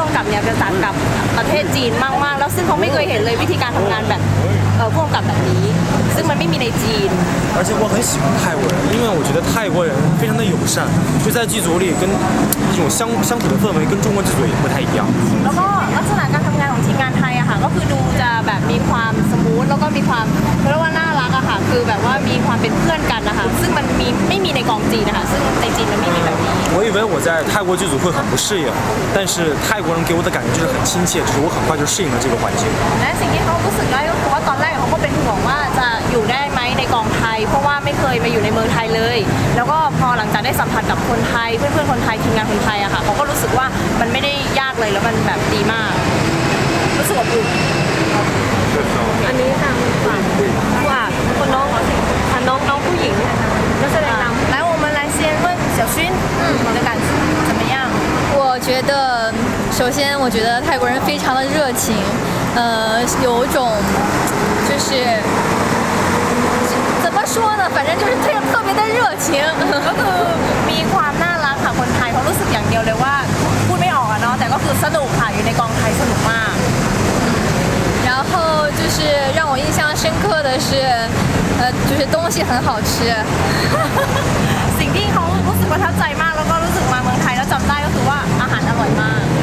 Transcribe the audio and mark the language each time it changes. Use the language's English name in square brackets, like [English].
[Thai] เนี่ยเป็นสารกับประเทศจีนมากๆแล้วซึ่งเขาไม่เคยเห็นเลยวิธีการทำงานแบบพ่วงกับแบบนี้ซึ่งมันไม่มีในจีน [Chinese] 而且我很喜欢泰国人因为我觉得泰国人非常的友善就在剧组里跟这种相处的氛围跟中国剧组也不太一样 [Thai] แล้วก็ลักษณะการทำงานของทีมงานไทยอะค่ะก็คือดูจะแบบมีความสมูทแล้วก็มีความเรียกว่าน่ารักอะค่ะคือแบบว่ามีความเป็นเพื่อนกันนะคะซึ่งมันมีไม่มีในกองจีนนะคะซึ่งในจีนมันไม่มีแบบนี้ [Chinese] 我以为我在泰国剧组会很不适应，但是泰国人给我的感觉就是很亲切，就是我很快就适应了这个环境。 [Thai] แต่สิ่งที่เขารู้สึกได้ก็ว่าตอนแรกเขาก็เป็นห่วงว่าจะอยู่ได้ไหมในกองไทยเพราะว่าไม่เคยมาอยู่ในเมืองไทยเลยแล้วก็พอหลังจากได้สัมผัสกับคนไทยเพื่อนๆคนไทยทีมงานคนไทยอะค่ะเขาก็รู้สึกว่ามันไม่ได้ยากเลยแล้วมันแบบดีมากรู้สึกว่าดี อันนี้ทางฝั่งว่าคนน้องค่ะน้องผู้หญิงนะคะแล้วแสดงนำ แล้ว [Chinese] 我们来先问小薰你的感觉怎么样？我觉得，首先我觉得泰国人非常的热情，有种就是怎么说呢，反正就是特别的热情。 [Thai] มีความน่ารักค่ะคนไทยเขารู้สึกอย่างเดียวเลยว่าพูดไม่ออกอะเนาะแต่ก็คือสนุกค่ะอยู่ในกองไทยสนุกมาก。 [Chinese] 然后就是让我印象深刻的是，就是东西很好吃。 [Thai] สิ่งที่เขารู้สึกประทับใจมากแล้วก็รู้สึกมาเมืองไทยแล้วจำได้ก็คือว่าอาหารอร่อยมาก。